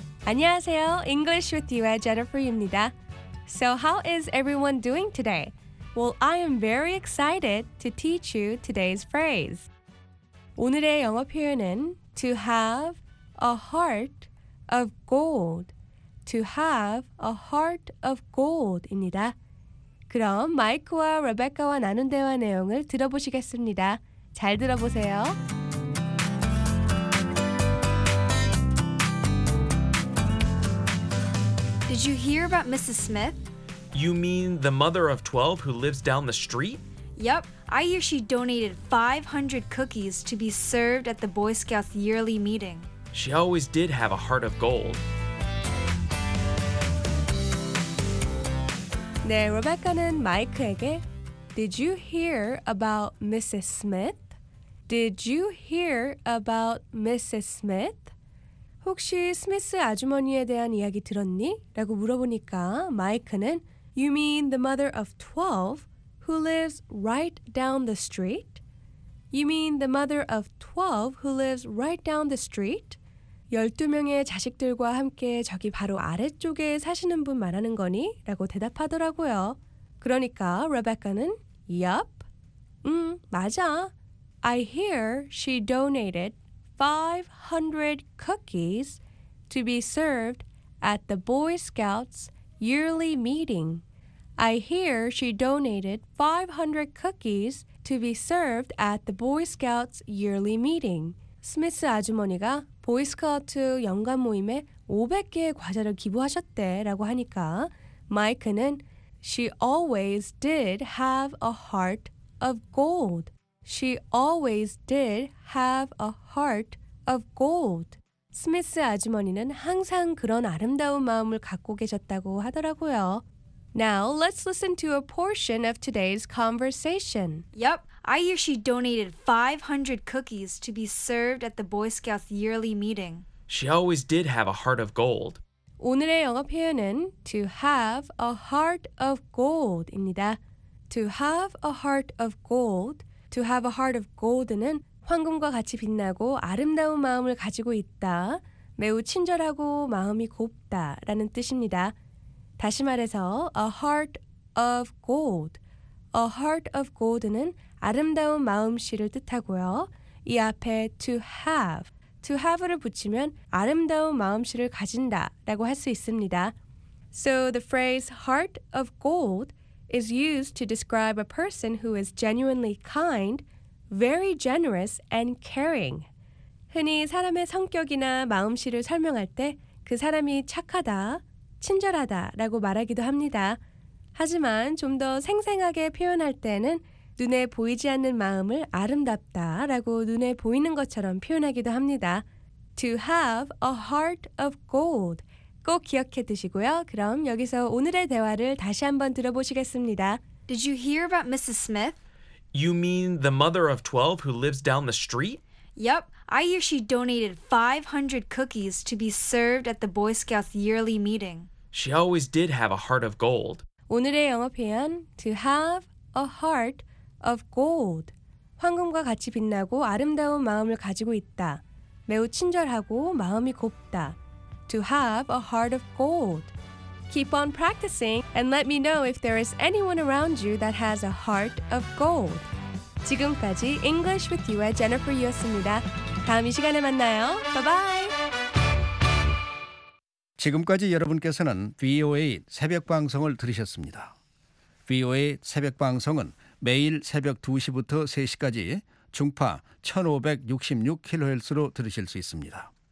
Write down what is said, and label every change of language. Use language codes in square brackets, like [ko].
[ko] 안녕하세요, [en] English with you의 Jennifer Yu입니다. So how is everyone doing today? Well, I am very excited to teach you today's phrase. [ko] 오늘의 영어 표현은 [en] to have a heart of gold. To have a heart of gold입니다. [ko] 그럼 마이크와 레베카와 나눈 대화 내용을 들어보시겠습니다. 잘 들어보세요. [en] Did you hear about Mrs. Smith? You mean the mother of 12 who lives down the street? Yep, I hear she donated 500 cookies to be served at the Boy Scouts yearly meeting. She always did have a heart of gold. [ko] 네, 로베카는 마이크에게 [en] Did you hear about Mrs. Smith? Did you hear about Mrs. Smith? [ko] 혹시 스미스 아주머니에 대한 이야기 들었니? 라고 물어보니까 마이크는 [en] You mean the mother of 12 who lives right down the street? You mean the mother of 12 who lives right down the street? [ko] 12명의 자식들과 함께 저기 바로 아래쪽에 사시는 분 말하는 거니? 라고 대답하더라고요. 그러니까 레베카는 [en] Yup, [ko] 맞아. [en] I hear she donated 500 cookies to be served at the Boy Scouts yearly meeting. I hear she donated 500 cookies to be served at the Boy Scouts yearly meeting. [ko] 스미스 아주머니가 보이스카우트 연간 모임에 500개의 과자를 기부하셨대라고 하니까 마이크는 [en] She always did have a heart of gold. She always did have a heart of gold. [ko] 스미스 아주머니는 항상 그런 아름다운 마음을 갖고 계셨다고 하더라고요. [en] Now, let's listen to a portion of today's conversation. Yep, I hear she donated 500 cookies to be served at the Boy Scouts yearly meeting. She always did have a heart of gold. 오늘의 영어 표현은 to have a heart of gold 입니다. To have a heart of gold, to have a heart of gold는 [ko] 황금과 같이 빛나고 아름다운 마음을 가지고 있다, 매우 친절하고 마음이 곱다라는 뜻입니다. 다시 말해서 [en] a heart of gold, a heart of gold는 [ko] 아름다운 마음씨를 뜻하고요. 이 앞에 to have를 붙이면 아름다운 마음씨를 가진다 라고 할 수 있습니다. [en] So the phrase heart of gold is used to describe a person who is genuinely kind, very generous and caring. [ko] 흔히 사람의 성격이나 마음씨를 설명할 때 그 사람이 착하다, 친절하다 라고 말하기도 합니다. 하지만 좀 더 생생하게 표현할 때는 눈에 보이지 않는 마음을 아름답다 라고 눈에 보이는 것처럼 표현하기도 합니다. [en] To have a heart of gold. [ko] 꼭 기억해 두시고요. 그럼 여기서 오늘의 대화를 다시 한번 들어보시겠습니다. [en] Did you hear about Mrs. Smith? You mean the mother of 12 who lives down the street? Yep, I hear she donated 500 cookies to be served at the Boy Scouts yearly meeting. She always did have a heart of gold. [ko] 오늘의 영어 표현, [en] to have a heart of gold. [ko] 황금과 같이 빛나고 아름다운 마음을 가지고 있다. 매우 친절하고 마음이 곱다. [en] To have a heart of gold. Keep on practicing and let me know if there is anyone around you that has a heart of gold. [ko] 지금까지 English with You의 Jennifer Yu였습니다. 다음 이 시간에 만나요. [en] Bye-bye. [ko] 지금까지 여러분께서는 VOA 새벽 방송을 들으셨습니다. VOA 새벽 방송은 매일 새벽 2시부터 3시까지 중파 1566kHz로 들으실 수 있습니다.